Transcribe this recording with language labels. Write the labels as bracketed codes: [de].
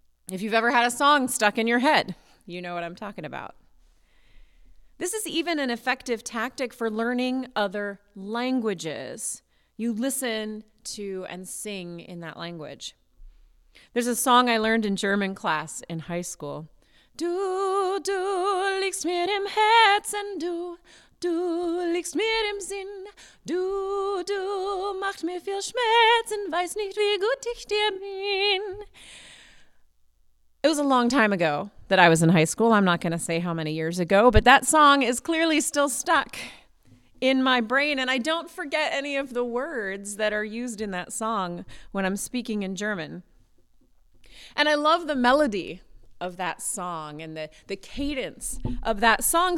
[en] If you've ever had a song stuck in your head, you know what I'm talking about. This is even an effective tactic for learning other languages. You listen to and sing in that language. There's a song I learned in German class in high school. [de] Du, du liegst mir im Herzen, du, du liegst mir im Sinn. Du, du macht mir viel Schmerzen, weiß nicht wie gut ich dir bin. [en] It was a long time ago that I was in high school. I'm not going to say how many years ago, but that song is clearly still stuck in my brain, and I don't forget any of the words that are used in that song when I'm speaking in German. And I love the melody of that song and the cadence of that song.